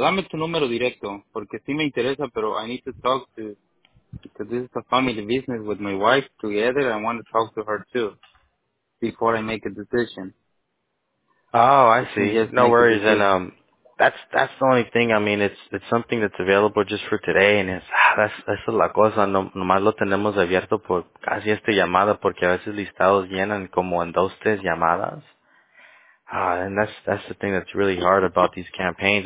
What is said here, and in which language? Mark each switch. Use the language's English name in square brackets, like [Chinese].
[Spanish] Dame tu número directo, porque sí me interesa, pero [English] I need to talk to, because this is a family business with my wife together. I want to talk to her too before I make a decision. Oh, I see. No worries. And that's the only thing. I mean, it's something that's available just for today, and that's [Spanish] la cosa. Nomás lo tenemos abierto por casi esta llamada, porque a veces listados llenan como en dos, tres llamadas. [English] And that's the thing that's really hard about these campaigns.